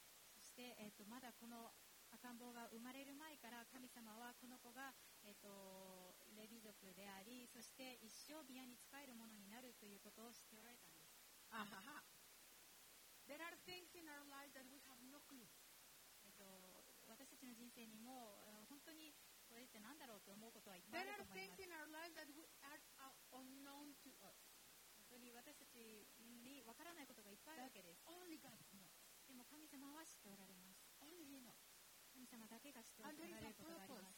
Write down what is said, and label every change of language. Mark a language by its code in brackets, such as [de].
[ja] そして、まだこの赤ん坊が生まれる前から神様はこの子が、レビ族でありそして一生宮に仕えるものになるということを知っておられたんです。 [en] There are things in our lives that we have no clue. [ja] 私たちの人生にも本当にこれって何だろうと思うことはいっぱいあると思います。 [en] There are things in our lives that we are unknown to us. [ja] 私たちに分からないことがいっぱいあるわけです。 [en] only God knows. [ja] でも神様は知っておられます。 [en] only he knows. [ja] 神様だけが知っておられることがあります。